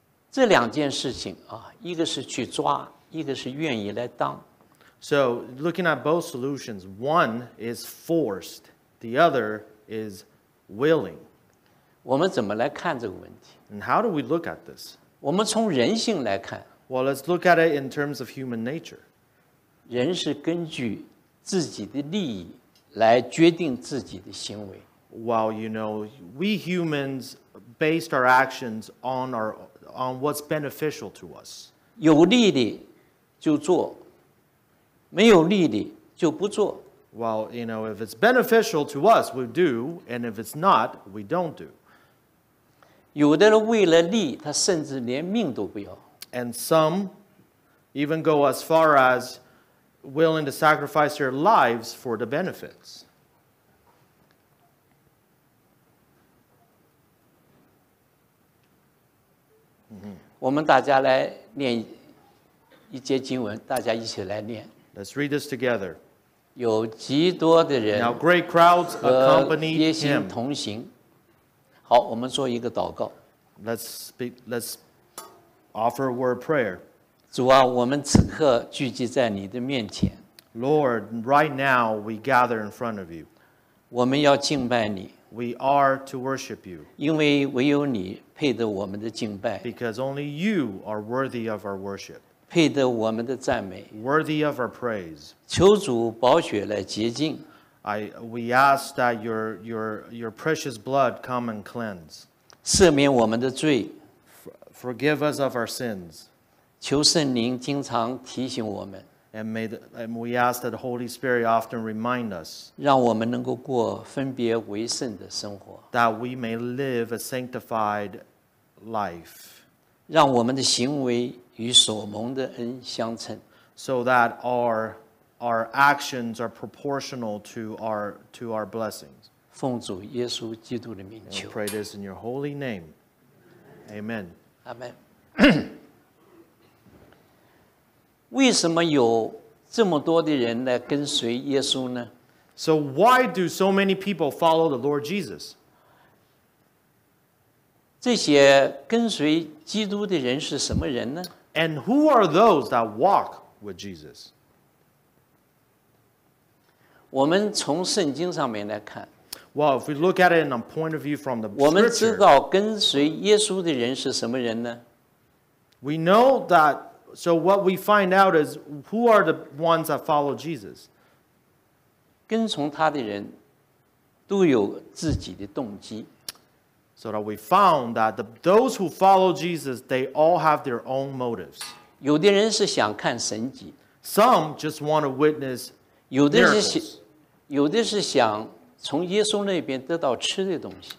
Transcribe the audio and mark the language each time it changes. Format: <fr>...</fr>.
<zh>这两件事情啊，一个是去抓，一个是愿意来当。</zh> <en>So looking at both solutions, one is forced, the other is willing.</en> <zh>我们怎么来看这个问题</zh> <en>？And how do we look at this？</en> <zh>我们从人性来看。</zh> <en>Well, let's look at it in terms of human nature.</en> <zh>人是根据自己的利益来决定自己的行为。</zh> <en>Well, you know, we humans based our actions on what's beneficial to us.</en> <zh>有利的就做，没有利的就不做。</zh> <en>Well, you know, if it's beneficial to us, we do, and if it's not, we don't do.</en> <zh>有的人为了利，他甚至连命都不要。</zh> <en>And some even go as far as willing to sacrifice their lives for the benefits.</en> <zh>我们大家来念一节经文，大家一起来念。</zh> <en>Let's read this together.</en> <zh>有极多的人</zh> <en>Now great crowds accompanied him.</en> <zh>和耶稣同行。好，我们做一个祷告。</zh> <en>Let's offer a word of prayer.</en> <zh>主啊，我们此刻聚集在你的面前。</zh> <en>Lord, right now we gather in front of you.</en> <zh>我们要敬拜你。</zh> <en>We are to worship you.</en> <zh>因为唯有你配得我们的敬拜。</zh> <en>Because only you are worthy of our worship.</en> <zh>配得我们的赞美。</zh> <en>Worthy of our praise.</en> <zh>求主宝血来洁净。</zh> <en>We ask that your precious blood come and cleanse.</en> <zh>赦免我们的罪。</zh> <en>Forgive us of our sins.</en> <zh>求圣灵经常提醒我们。</zh> <en>And we ask that the Holy Spirit often remind us.</en> <zh>让我们能够过分别为圣的生活。</zh> <en>That we may live a sanctified life.</en> <zh>让我们的行为与所蒙的恩相称。</zh> <en>So that our actions are proportional to our blessings.</en> <zh>奉主耶稣基督的名求。</zh> <en>And we pray this in your holy name. Amen. Amen.</en> <zh>为什么有这么多的人来跟随耶稣呢？</zh> <en>So why do so many people follow the Lord Jesus?</en> <zh>这些跟随基督的人是什么人呢？</zh> <en>And who are those that walk with Jesus?</en> <zh>我们从圣经上面来看。</zh> <en>Well, if we look at it in a point of view from the</en> <zh>scripture, 我们知道跟随耶稣的人是什么人呢？</zh> <en>We know that So what we find out is, who are the ones that follow Jesus?</en> <zh>跟从他的人都有自己的动机。</zh> <en>So that we found that those who follow Jesus, they all have their own motives.</en> <zh>有的人是想看神迹。</zh> <en>Some just want to witness miracles.</en> <zh>有的是想从耶稣那边得到吃的东西。</zh>